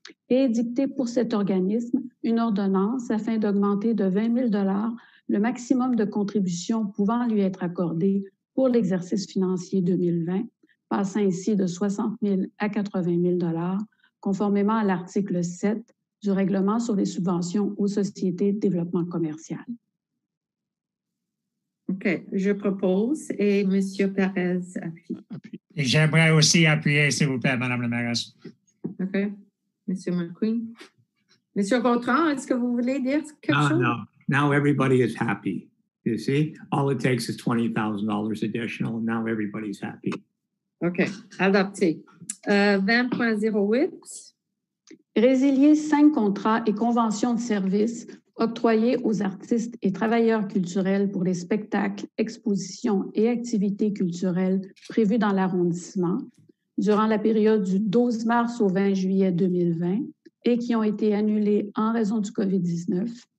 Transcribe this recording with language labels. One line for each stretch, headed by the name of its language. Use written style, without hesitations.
French: et édicter pour cet organisme une ordonnance afin d'augmenter de 20 000 $ le maximum de contribution pouvant lui être accordé pour l'exercice financier 2020, passant ainsi de 60 000 à 80 000 $ conformément à l'article 7 du règlement sur les subventions aux sociétés de développement commercial. OK, je propose et M. Perez appuie. Et j'aimerais aussi appuyer, s'il vous plaît, Mme la maire. OK, M. McQueen. M. Vautrin, est-ce que vous voulez dire quelque chose? Non, non.
English: Now everybody is happy. You see, all it takes is $20,000 additional, and now everybody's happy.
French: OK, adopté. 20.08. Résilier 5 contrats et conventions de services octroyés aux artistes et travailleurs culturels pour les spectacles, expositions et activités culturelles prévues dans l'arrondissement durant la période du 12 mars au 20 juillet 2020 et qui ont été annulés en raison du COVID-19